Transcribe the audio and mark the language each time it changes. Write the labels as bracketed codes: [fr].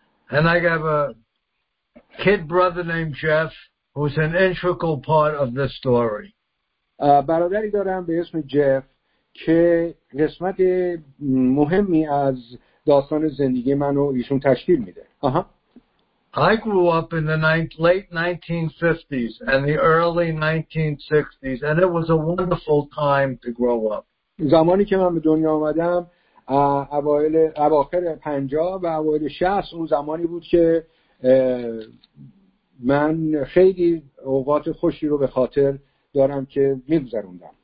[en] and I have a kid brother named Jeff who's an integral part of this story [fa] برادری دارم به اسم جف که قسمت مهمی از داستان زندگی منو ایشون تشکیل میده [en] I grew up in the late 1950s and the early 1960s and it was a wonderful time to grow up [fa] زمانی که من به دنیا آمدم اواخر 50 و اوایل 60 اون زمانی بود که من خیلی اوقات خوشی رو به خاطر دارم که می‌گذروندم.